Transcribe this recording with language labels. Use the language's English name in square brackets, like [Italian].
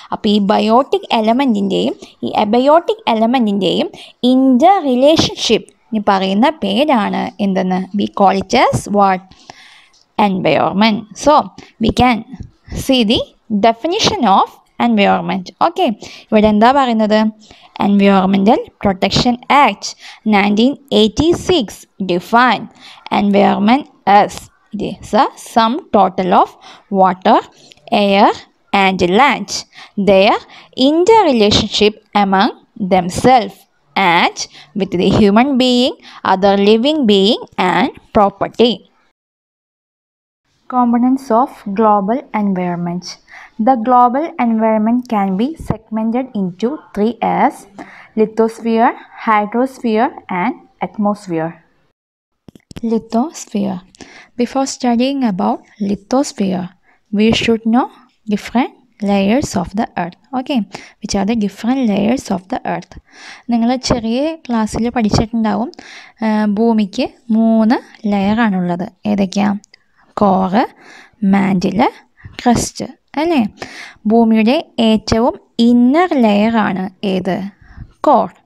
[Malayalam] അപ്പോൾ ഈ ബയോട്ടിക് എലമെൻറ്റിൻ്റെയും ഈ അബയോട്ടിക് എലമെൻറ്റിൻ്റെയും ഇൻ്റർ റിലേഷൻഷിപ്പ് എന്ന് പറയുന്ന പേരാണ് എന്തെന്ന്? [English] We call it as what? Environment. So we can see the definition of environment. [Malayalam] Okay, ഇവിടെ എന്താ പറയുന്നത്? [English] Environmental protection act 1986 define environment as it is a sum total of water, air and land, their interrelationship among themselves and with the human being, other living being and property. Components of global environment. The global environment can be segmented into three as lithosphere, hydrosphere and atmosphere. Lithosphere. Before studying about lithosphere, we should know different layers of the earth. Okay, which are the different layers of the earth? [Malayalam] നിങ്ങൾ ചെറിയ ക്ലാസ്സിൽ പഠിച്ചിട്ടുണ്ടാവും ഭൂമിക്ക് മൂന്ന് ലെയറാണുള്ളത്. ഏതൊക്കെയാണ്? Core, മാൻ്റില്, crest അല്ലേ. ഭൂമിയുടെ ഏറ്റവും inner ലെയറാണ് ഏത്? കോർ.